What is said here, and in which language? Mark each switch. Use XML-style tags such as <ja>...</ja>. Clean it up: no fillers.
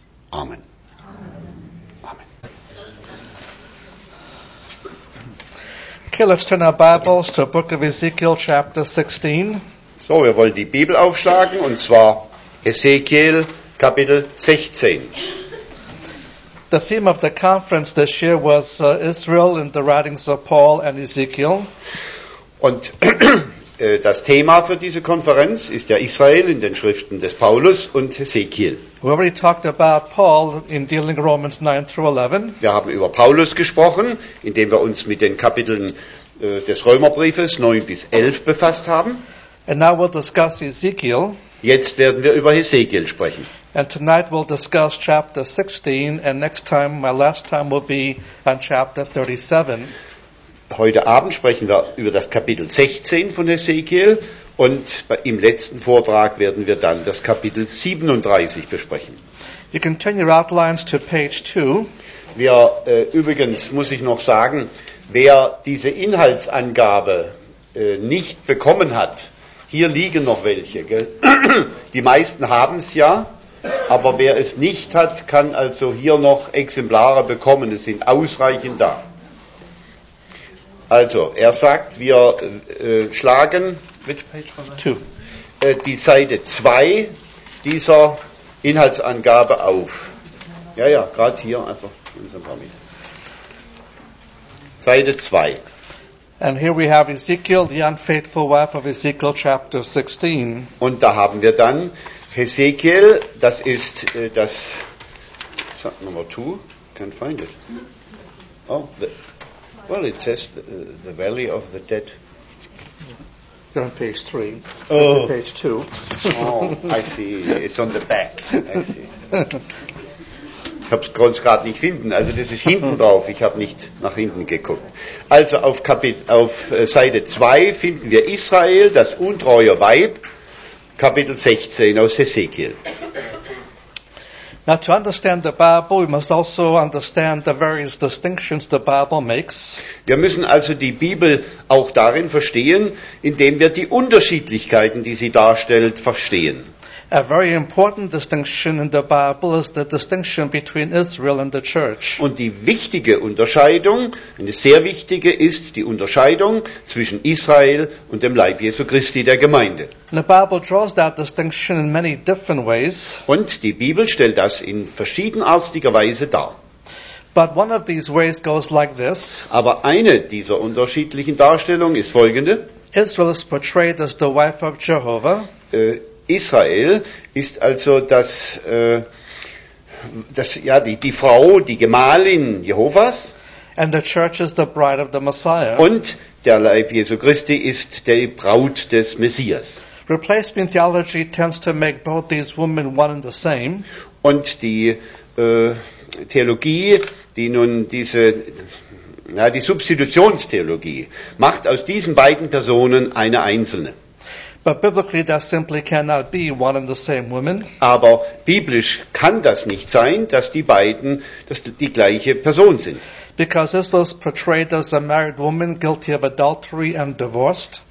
<en>Amen. Okay, let's turn our Bibles to the book of Ezekiel, chapter 16.</en> <de>So, wir wollen die Bibel aufschlagen, und zwar Ezekiel, Kapitel 16.</de> <en>The theme of the conference this year was Israel in the writings of Paul and Ezekiel.</en> <de>Und das Thema für diese Konferenz ist ja Israel in den Schriften des Paulus und Ezekiel.</de> <en>We already talked about Paul in dealing Romans 9 through 11.</en> <de>Wir haben über Paulus gesprochen, indem wir uns mit den Kapiteln des Römerbriefes 9 bis 11 befasst haben.</de> <en>And now we'll discuss Ezekiel.</en> <de>Jetzt werden wir über Ezekiel sprechen.</de> <en>And tonight we'll discuss chapter 16, and next time, my last time, will be on chapter 37.</en> <de>Heute Abend sprechen wir über das Kapitel 16 von Ezekiel, und im letzten Vortrag werden wir dann das Kapitel 37 besprechen.</de> <en>You can turn your outlines to page 2.</en> <de>Wir, übrigens muss ich noch sagen, wer diese Inhaltsangabe nicht bekommen hat, hier liegen noch welche. Gell? Die meisten haben es ja, aber wer es nicht hat, kann also hier noch Exemplare bekommen. Es sind ausreichend da. Also, er sagt, wir schlagen die Seite 2 dieser Inhaltsangabe auf. Ja, ja, gerade hier einfach. Seite 2.</de> <en>And here we have Ezekiel, the unfaithful wife of Ezekiel, chapter 16.</en> <de>Und da haben wir dann Ezekiel, das ist das Nummer 2.</de> <en>Can't find it. Oh, the. Well, it says the Valley of the Dead. You're on page 3. Oh. Page 2. Oh, I see. It's on the back. I see.</en> <de>Ich habe es gerade nicht finden. Also das ist hinten drauf. Ich habe nicht nach hinten geguckt. Also auf Seite 2 finden wir Israel, das untreue Weib, Kapitel 16 aus Ezekiel.</de> <en>Now, to understand the Bible, we must also understand the various distinctions the Bible makes.</en> <de>Wir müssen also die Bibel auch darin verstehen, indem wir die Unterschiedlichkeiten, die sie darstellt, verstehen.</de> <en>A very important distinction in the Bible is the distinction between Israel and the church.</en> <de>Und die wichtige Unterscheidung, eine sehr wichtige, ist die Unterscheidung zwischen Israel und dem Leib Jesu Christi, der Gemeinde.</de> <en>And the Bible draws that distinction in many different ways.</en> <de>Und die Bibel stellt das in verschiedenartiger Weise dar.</de> <en>But one of these ways goes like this.</en> <de>Aber eine dieser unterschiedlichen Darstellungen ist folgende.</de> <en>Israel is portrayed as the wife of Jehovah.</en> <de>Israel ist also die Frau, die Gemahlin Jehovas.</de> <en>And the church is the bride of the Messiah.</en> <de>Und der Leib Jesu Christi ist die Braut des Messias.</de> <en>Replacement theology tends to make both these women one and the same.</en> <de>Und die Theologie, die nun diese, ja, die Substitutionstheologie, macht aus diesen beiden Personen eine einzelne.</de> <en>But biblically that simply cannot be one and the same woman.</en> <de>Aber biblisch kann das nicht sein, dass die beiden die gleiche Person sind.</de> <en>Because Israel is portrayed as a married woman guilty of adultery and divorced.</en>